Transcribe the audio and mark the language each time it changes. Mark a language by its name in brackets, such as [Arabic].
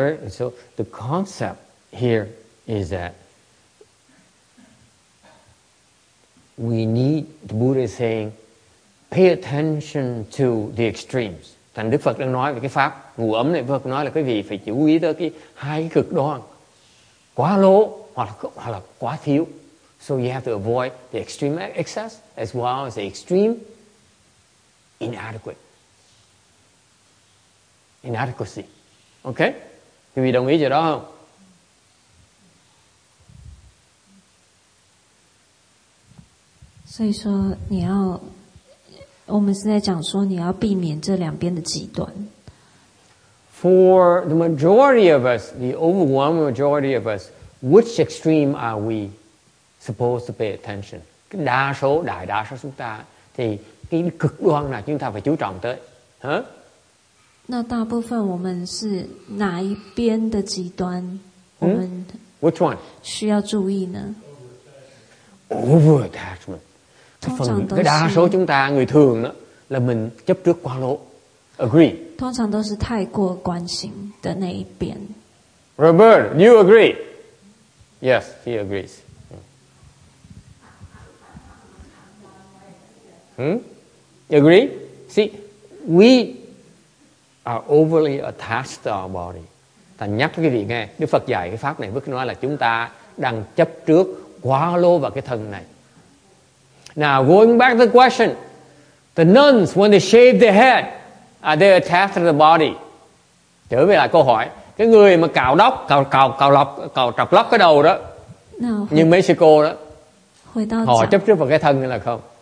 [English] So the concept here is that we need, the Buddha is saying, pay attention to the extremes. [Vietnamese] Thành Đức Phật đang nói về cái pháp ngủ ấm này, Phật nói là quý vị phải chú ý tới cái hai cái cực đoan, quá lố hoặc là quá thiếu. [English] So you have to avoid the extreme excess as well as the extreme inadequacy. Okay? [Vietnamese] Quý vị đồng ý chỗ đó không? [English] So you say, you have. [Chinese] 我们是在讲说你要避免这两边的极端. [English] For the majority of us, the overwhelming majority of us, which extreme are we supposed to pay attention? [Vietnamese] Đa số, đại đa số chúng ta thì cái cực đoan nào chúng ta phải chú trọng tới? Hả? [Chinese] 那大部分我们是哪一边的极端? [English] Hmm? Which one? [Chinese] 需要注意呢? [English] Over-attachment. [Vietnamese] Cái đa số chúng ta, người thường đó, là mình chấp trước quá lỗ. [English] Agree. [Vietnamese] Thông thường đều là thái quá quan tâm đến cái bên. [English] Robert, you agree? Yes, he agrees. Agree? See, we are overly attached to our body. [Vietnamese] Ta nhắc cái gì nghe, Đức Phật dạy cái pháp này, Đức nói là chúng ta đang chấp trước quá lỗ vào cái thân này. [English] Now, going back to the question, the nuns, when they shave their head, are they attached to the body? [Vietnamese] Trở về lại câu hỏi, cái người mà cạo đốc, cạo trọc lóc cái đầu đó, như Mexico đó, họ chấp trước vào cái thân là không?